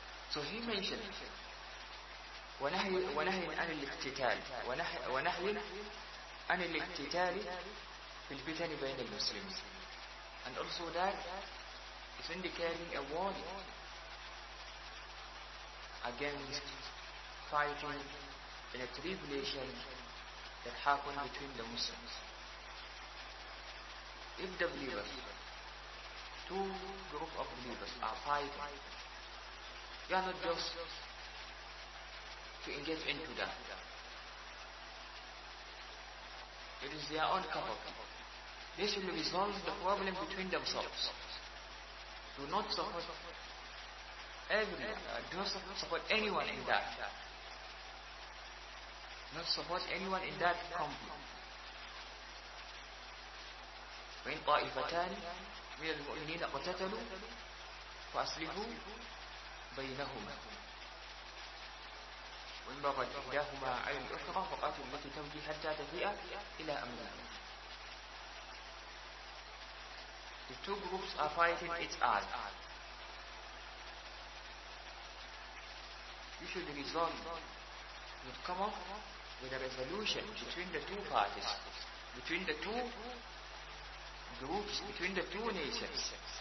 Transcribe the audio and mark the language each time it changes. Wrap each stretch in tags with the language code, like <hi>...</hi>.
<en>So he mentioned,</en> <ar>ونهي عن الاقتتال ونهي عن الاقتتال في الفتن بين المسلمين.</ar> <en>And also that is indicating a warning against fighting in a tribulation that happened between the Muslims. If the believers, two groups of believers are fighting, you are not just to engage into that. It is their own cup of tea. They should resolve the problem between themselves. Do not support everyone. Do not support anyone in that. Not support anyone in that conflict. When</en> <ar>طائفتان من المؤمنين اقتتلوا فأصلحوا بينهما وإن بغت إحداهما على الأخرى فقاتل التي تمضي حتى تفيء إلى أمر الله.</ar> <en>The two groups are fighting each other. You should resolve. You come up with a resolution between the two parties, between the two groups, between the two nations.</en>